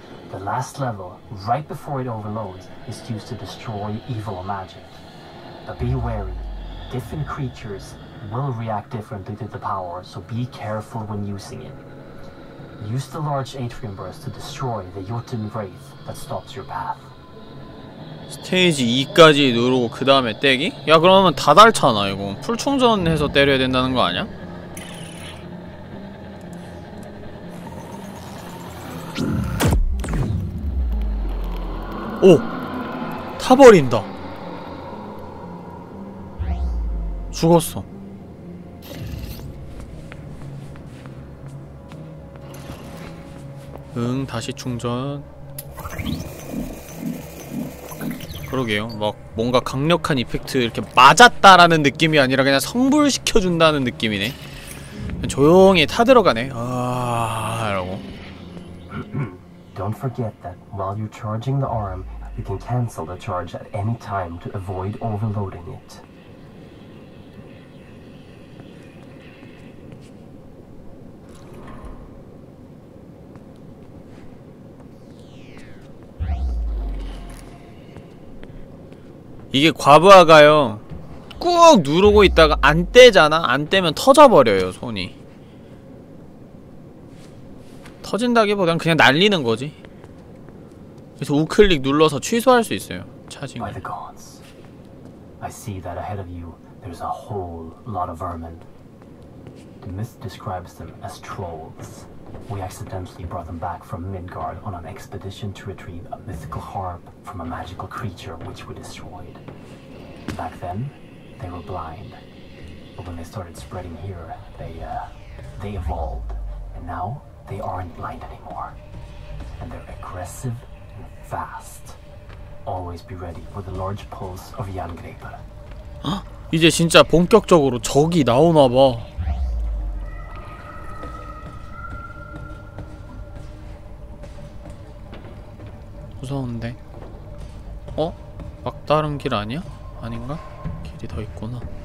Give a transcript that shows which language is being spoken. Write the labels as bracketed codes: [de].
[en] The last level, right before it overloads, is used to destroy evil magic. But be wary, different creatures will react differently to the power, so be careful when using it. Use the large atrium burst to destroy the Jotun Wraith that stops your path. [ko] 스테이지 2까지 누르고 그 다음에 떼기? 야 그러면 다 닳잖아 이거. 풀 충전해서 때려야 된다는 거 아니야? 오! 타버린다. 죽었어. 응, 다시 충전. 그러게요. 막, 뭔가 강력한 이펙트 이렇게 맞았다라는 느낌이 아니라 그냥 성불시켜준다는 느낌이네. 그냥 조용히 타들어가네. 아, 이러고. [en] Don't forget that while you're charging the arm, you can cancel the charge at any time to avoid overloading it. [ko] 이게 과부하가요. 꾹 누르고 있다가 안 떼잖아. 안 떼면 터져버려요, 손이. 터진다기보단 그냥 날리는 거지. 그래서 우클릭 눌러서 취소할 수 있어요. 찾은 거. [en] By the gods. I see that ahead of you there's a whole lot of vermin. The myth describes them as trolls. We accidentally brought them back from Midgard on an expedition to retrieve a mythical harp from a magical creature which we destroyed. Back then, they were blind. But when they started spreading here, they evolved. And now, they aren't blind anymore. And they're aggressive and fast. Always be ready for the large pulse of Jarngreipr. [ko] 이제 진짜 본격적으로 적이 나오나 봐. 무서운데. 어? 막다른 길 아니야? 아닌가? 길이 더 있구나.